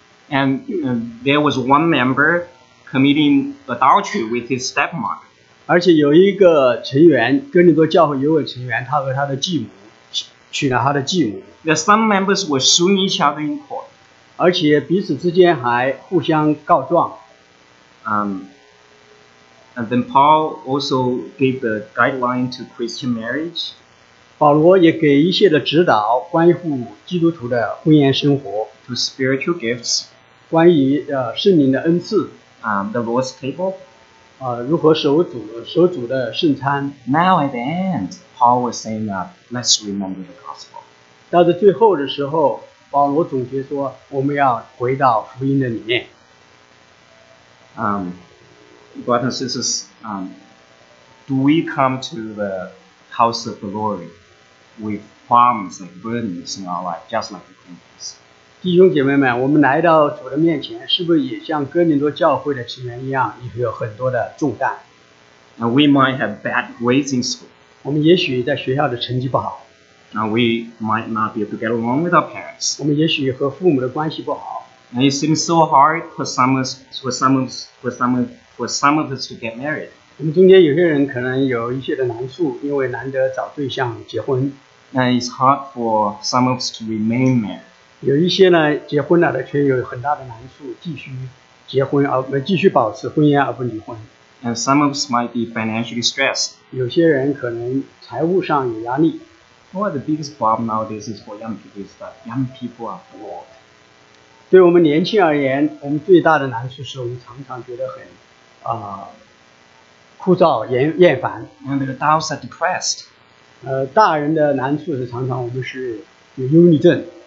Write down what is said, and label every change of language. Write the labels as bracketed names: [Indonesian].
[English] and there was one member committing adultery with his stepmother. [Chinese] 而且有一个成员,哥林多教会有位成员, 他和他的继母, 娶了他的继母, [English] the some members were suing each other in court. [Chinese] 而且彼此之间还互相告状。 [English] And then Paul also gave the guideline to Christian marriage. [Chinese] 保罗也给一些的指导关于基督徒的婚姻生活, [English] to spiritual gifts, [Chinese] 关于圣灵的恩赐, [English] the Lord's table, [Chinese] 如何守主的圣餐。 [English] Now at the end, Paul was saying that let's remember the gospel. [Chinese] 到了最后的时候, 保罗总结说, 我们要回到福音的里面。 [English] Brothers and sisters, do we come to the house of the Lord with problems and burdens in our life, just like the Corinthians? [Chinese] 弟兄姐妹们, 我们来到主的面前, 是不是也像哥林多教会的成员一样, 也有很多的重担? [English] And we might have bad grades in school. [Chinese] 我们也许在学校的成绩不好。 [English] And we might not be able to get along with our parents. [Chinese] 我们也许和父母的关系不好。 [English] And it seems so hard for some of us to get married. [Chinese] 我们中间有些人可能有一些的难处, 因为难得找对象结婚。 [English] And it's hard for some of us to remain married. [Chinese] 有一些呢, 结婚了的, 却有很大的难处, 继续结婚, 继续保持婚姻而不离婚。 [English] And some of us might be financially stressed. [Chinese] 有些人可能财务上有压力。 [English] One of the biggest problems nowadays is for young people is that young people are bored. [Chinese] 对我们年轻而言, 我们最大的难处是我们常常觉得很 枯燥厌烦, [English] and the adults are depressed. [Chinese] 大人的难处是常常我们是有忧郁症。